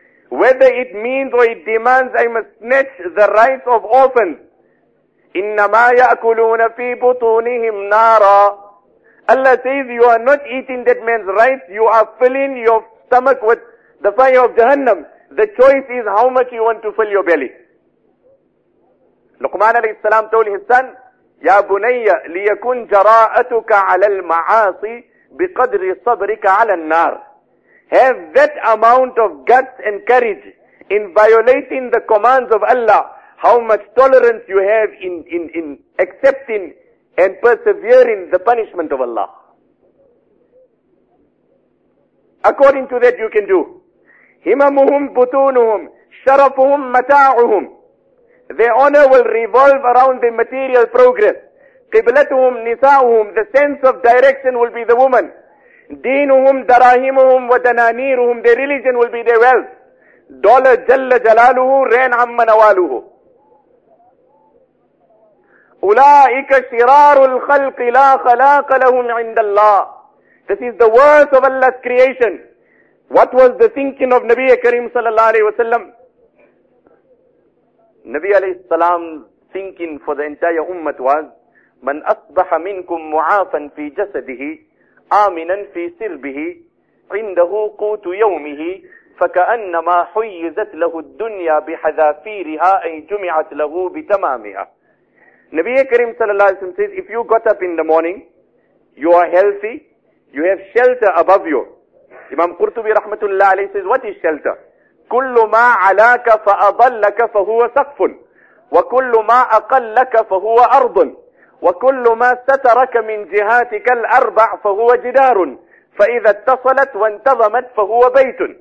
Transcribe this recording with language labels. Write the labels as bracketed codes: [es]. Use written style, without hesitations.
[en] Whether it means or it demands I must snatch the rights of orphans. [ar] إِنَّمَا يَأْكُلُونَ فِي بُطُونِهِمْ نَارًا. [en] Allah says you are not eating that man's rights, you are filling your stomach with the fire of Jahannam. The choice is how much you want to fill your belly. [ar] لقمان عليه السلام [en] told his son, [ar] يَا بُنَيَّ لِيَكُنْ جَرَاءَتُكَ عَلَى الْمَعَاصِي بِقَدْرِ صَبْرِكَ عَلَى النَّارِ. [en] Have that amount of guts and courage in violating the commands of Allah, how much tolerance you have in accepting and persevering the punishment of Allah. According to that you can do. [ar] هِمَمُهُمْ بُتُونُهُمْ شَرَفُهُمْ مَتَاعُهُمْ. [en] Their honor will revolve around the material progress. [ar] قِبْلَتُهُمْ نِسَاؤُهُمْ. [en] The sense of direction will be the woman. [ar] دِينُهُمْ دَرَاهِمُهُمْ وَدَنَانِيرُهُمْ. [en] Their religion will be their wealth. دَوْلَ جَلَّ جَلَالُهُ رَيْنْ عَمَّ نَوَالُهُ. [ar] أُولَٰئِكَ شِرَارُ الْخَلْقِ لَا خَلَاقَ لَهُمْ عِنْدَ اللَّهِ. [en] This is the worst of Allah's creation. What was the thinking of Nabi Kareem sallallahu alayhi wa sallam? Nabi alayhi salam's thinking for the entire ummah was, [ar] مَنْ أَصْبَحَ مِنْكُمْ مُعَافًا فِي جَسَدِهِ آمِنًا فِي سِرْبِهِ عِنْدَهُ قُوتُ يَوْمِهِ فَكَأَنَّمَا حُيِّزَتْ لَهُ الدُّنْيَا بِحَذَافِيرِهَا أَيْ جُمِعَتْ لَهُ بِتَمَامِهَا. [en] Nabi Kareem sallallahu alayhi wa sallam says, if you got up in the morning, you are healthy, you have shelter above you. Imam Qurtubi rahmatullah alayhi says, what is shelter? [ar] كُلُّ مَا عَلَاكَ فَأَضَلَّكَ فَهُوَ سَقْفٌ وَكُلُّ مَا أَقَلَّكَ فَهُوَ أَرْضٌ وَكُلُّ مَا سَتَرَكَ مِنْ جِهَاتِكَ الْأَرْبَعُ فَهُوَ جِدَارٌ فَإِذَا اتَّصَلَتْ وَانْتَظَمَتْ فَهُوَ بَيْتٌ.